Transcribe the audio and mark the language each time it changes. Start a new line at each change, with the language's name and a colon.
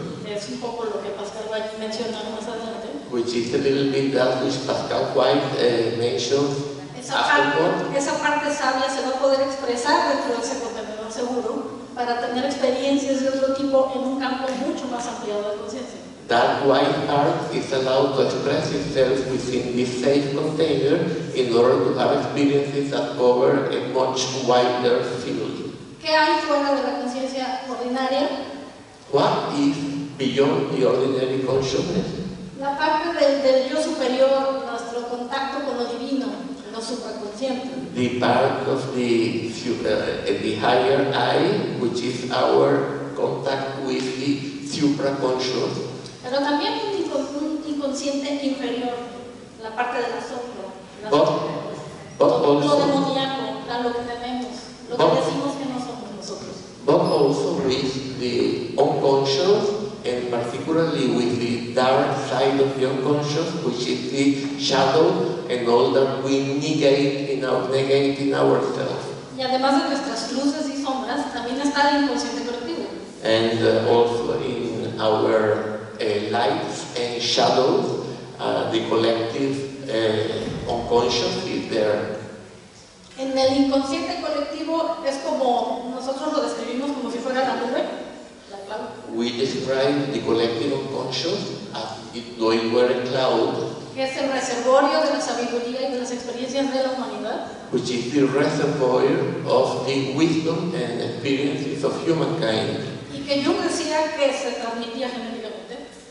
Spanish: es un poco lo que Pascal White mencionó más adelante,
English: which is a little bit that which Pascal White mentioned,
Spanish: es esa parte sabia se va a poder expresar dentro del secundario, seguro, para tener experiencias de otro tipo en un campo mucho más ampliado de conciencia.
English: That white heart is allowed to express itself within this safe container in order to have experiences that cover a much wider field.
Spanish: ¿Qué hay fuera de la conciencia ordinaria?
English: What is beyond the ordinary consciousness?
Spanish: La parte del yo superior, nuestro contacto con lo divino, lo supraconsciente.
English: The part of the higher I, which is our contact with the supraconscious.
Spanish: Pero también un inconsciente inferior, la parte del asombro, lo demoníaco, lo que tenemos, que decimos que no somos nosotros.
English: But also with the unconscious, and particularly with the dark side of the unconscious, which is the shadow and all that we negate in ourselves.
Spanish: Y además de nuestras luces y sombras, también está el inconsciente colectivo.
English: And also in our lights and shadows, the collective unconscious is there.
Spanish: En el inconsciente colectivo es como nosotros lo describimos como si fuera la nube, la cloud.
English: We describe the collective unconscious as if it were a cloud.
Spanish: Que es el reservorio de la sabiduría y de las experiencias de la humanidad.
English: Which is the reservoir of the wisdom and experiences of humankind.
Spanish: Y que Jung decía que se transmitía genéticamente.